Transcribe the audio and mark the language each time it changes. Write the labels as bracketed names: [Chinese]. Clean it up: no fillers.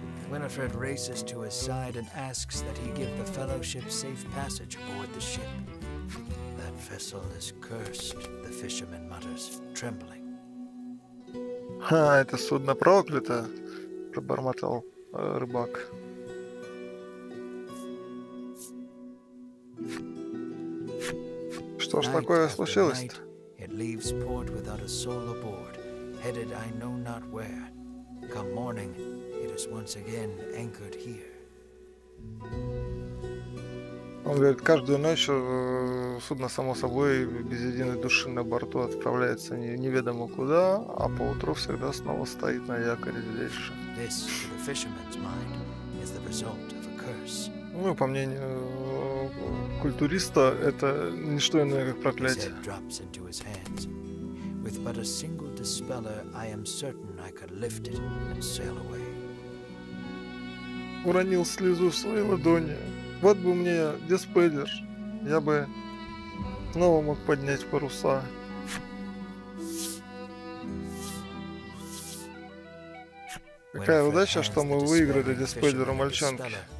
[English] Winifred races to his side and asks that he give the fellowship safe passage aboard the ship. That vessel is cursed, the fisherman mutters, trembling. [Russian] Ха, это судно проклято, пробормотал рыбак. Что ж такое случилось-то? [English] It leaves port without a soul aboard, headed I know not where. Come morning, is once again anchored here. [Russian] Он говорит, каждую ночь судно само собой без единой души на борту отправляется неведомо куда, а поутру всегда снова стоит на якоре здесь. [English] This, to the fisherman's mind, is the result of a curse. [Russian] Ну, по мнению культуриста, это не что иное, как проклятие. [English] His head drops into his hands. With but a single dispeller, I am certain I could lift it and sail away. [Russian] Уронил слезу в своей ладони. Вот бы мне диспеллер, я бы снова мог поднять паруса. Какая удача, что мы выиграли диспеллер у мальчонки.